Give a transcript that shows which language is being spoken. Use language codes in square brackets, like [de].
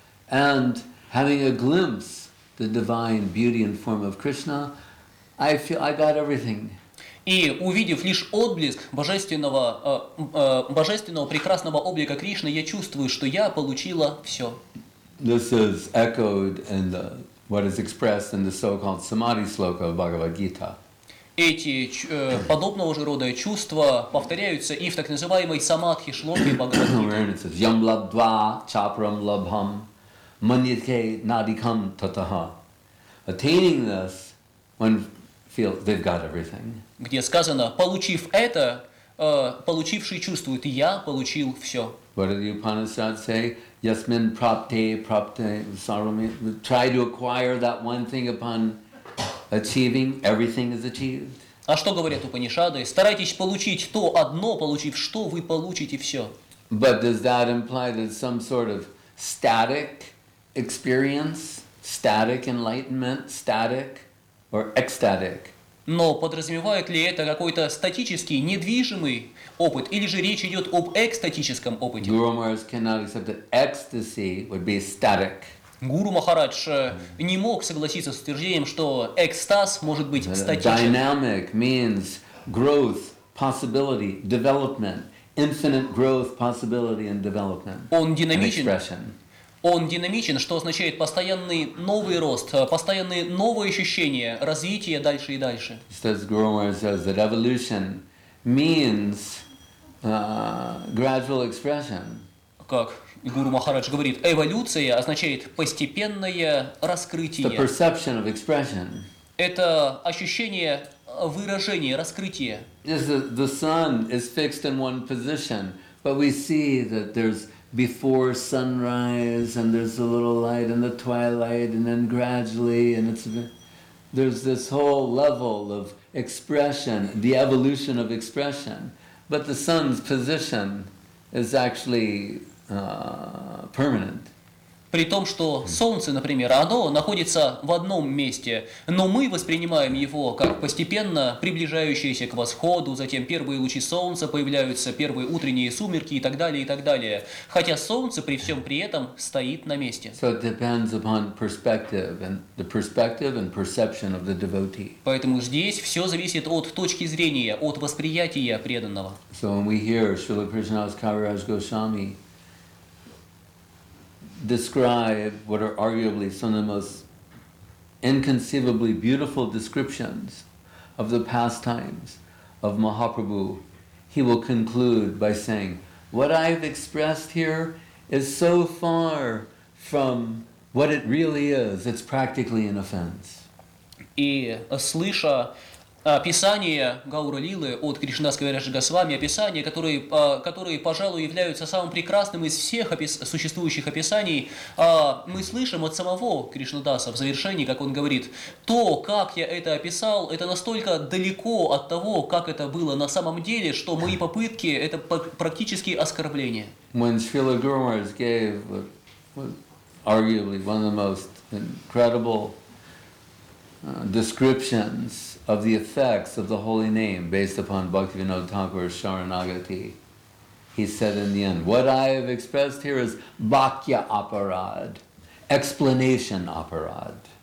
[en] And having a glimpse the divine beauty and form of Krishna, I feel I got everything. [ru] И увидев лишь отблеск божественного прекрасного облика Кришны, я чувствую, что я получила все. [en] This is echoed in the what is expressed in the so-called samadhi sloka of Bhagavad Gita. [ru] Эти подобного же рода чувства повторяются и в так называемой самадхи шлоке Бхагавад [sa] Гита. Yam labdva chapram labham manyate nadikam tataha. [en] Attaining this, one feels they've got everything. [ru] Где сказано, получив это, получивший чувствует, я получил все. [en] What did the Upanishads say? [sa] Yasmin prapte prapte sarvami. [en] Try to acquire that one thing upon achieving, everything is achieved. [ru] А что говорят Упанишады? Старайтесь получить то одно, получив что, вы получите все. [en] But does that imply that some sort of static experience, static enlightenment, static or ecstatic? [ru] Но подразумевает ли это какой-то статический, недвижимый опыт, или же речь идет об экстатическом опыте? [en] Guru Maharaj cannot accept that ecstasy would be static. [ru] Гуру Махарадж не мог согласиться с утверждением, что экстаз может быть статичным. [en] Dynamic means growth, possibility, development, infinite growth, possibility and development. [ru] Он динамичен. Он динамичен, что означает постоянный новый рост, постоянные новые ощущения, развитие дальше и дальше. [en] As Guru Maharaj says, that evolution means gradual expression. [ru] Как Гуру Махарадж говорит, эволюция означает постепенное раскрытие. [en] The perception of expression. [ru] Это ощущение выражение, раскрытие. [en] The sun is fixed in one position, but we see that there's before sunrise, and there's a little light in the twilight, and then gradually, and it's there's this whole level of expression, the evolution of expression. But the sun's position is actually permanent. [ru] При том, что Солнце, например, оно находится в одном месте, но мы воспринимаем его как постепенно приближающееся к восходу, затем первые лучи Солнца появляются, первые утренние сумерки и так далее, и так далее. Хотя Солнце при всем при этом стоит на месте. [en] So it depends upon perspective and the perspective and perception of the devotee. [ru] Поэтому здесь все зависит от точки зрения, от восприятия преданного. [en] So when we hear Śrīla Prajñāda Kaviraj Gosvāmī describe what are arguably some of the most inconceivably beautiful descriptions of the pastimes of Mahāprabhu, he will conclude by saying, what I've expressed here is so far from what it really is, it's practically an offense. [ru] И слыша описание Гаура-лилы от Кришнадаса Кавираджа Госвами, описание, которые, пожалуй, являются самым прекрасным из всех существующих описаний, мы слышим от самого Кришнадаса в завершении, как он говорит, то, как я это описал, это настолько далеко от того, как это было на самом деле, что мои попытки – это практически оскорбление. [en] When Śrīla Guru Mahārāja gave arguably one of the most incredible descriptions of the effects of the holy name based upon Bhaktivinoda Thakur's Sharanagati, he said in the end, what I have expressed here is bhakya aparad, explanation aparad.